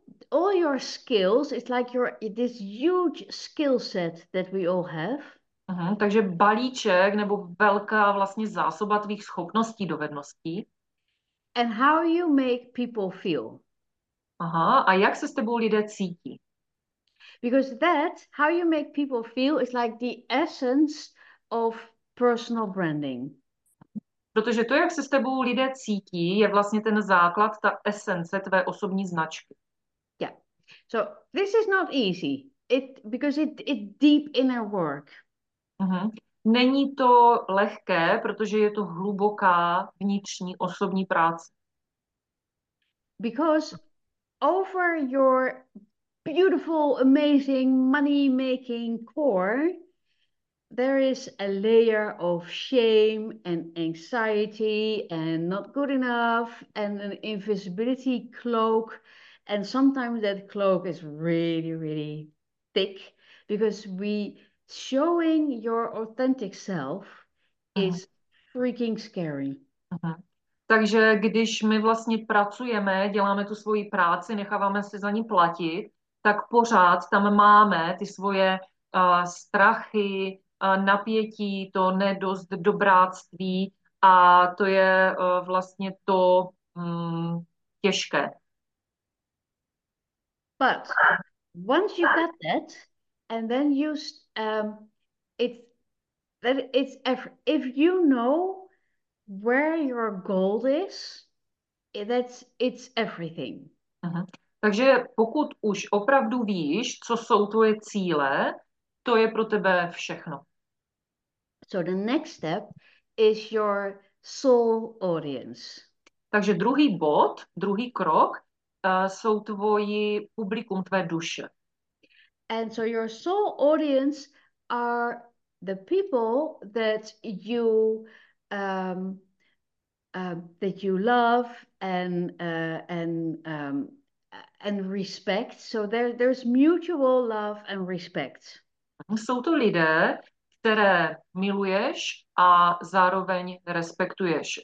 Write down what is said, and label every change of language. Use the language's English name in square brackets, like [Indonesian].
[English] All your skills, it's like your this huge skill set that we all have. Uh-huh. [Czech] Takže balíček nebo velká vlastně zásoba tvých schopností, dovedností. [English] And how you make people feel. [Czech] Aha, a jak se s tebou lidé cítí? [English] Because that, how you make people feel, is like the essence of personal branding. [Czech] Protože to, jak se s tebou lidé cítí, je vlastně ten základ, ta esence tvé osobní značky. [English] Yeah. So this is not easy. Because it deep inner work. Uh-huh. [Czech] Není to lehké, protože je to hluboká vnitřní osobní práce. [English] Because over your beautiful, amazing, money-making core, there is a layer of shame and anxiety and not good enough and an invisibility cloak. And sometimes that cloak is really, really thick because we showing your authentic self is freaking scary. Uh-huh. [Czech] Takže když my vlastně pracujeme, děláme tu svoji práci, necháváme se za ní platit, tak pořád tam máme ty svoje strachy, napětí, to nedost dobráctví a to je vlastně to těžké. [English] But once you got that, and then you, it's, that it's, if you know Where your gold is, it's everything. [Czech] Takže pokud už opravdu víš, co jsou tvoje cíle, to je pro tebe všechno. [English] So the next step is your soul audience. [Czech] Takže druhý bod, druhý krok, jsou tvoji publikum, tvé duše. [English] And so your soul audience are the people that you love and respect. So there's mutual love and respect. [Czech] Jsou to lidé, které miluješ a zároveň respektuješ.